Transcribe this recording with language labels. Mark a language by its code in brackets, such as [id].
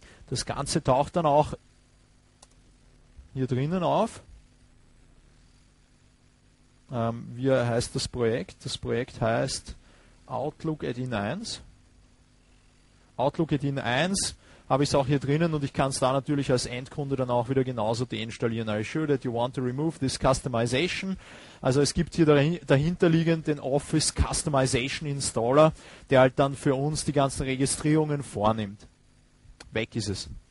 [de] Das Ganze taucht dann auch hier drinnen auf. Wie heißt das Projekt? Das Projekt heißt Outlook Add-in 1. Outlook Add-in 1 habe ich es auch hier drinnen und ich kann es da natürlich als Endkunde dann auch wieder genauso deinstallieren. [en] Are you sure that you want to remove this customization? [de] Also es gibt hier dahinterliegend den Office Customization Installer, der halt dann für uns die ganzen Registrierungen vornimmt. Weg ist es.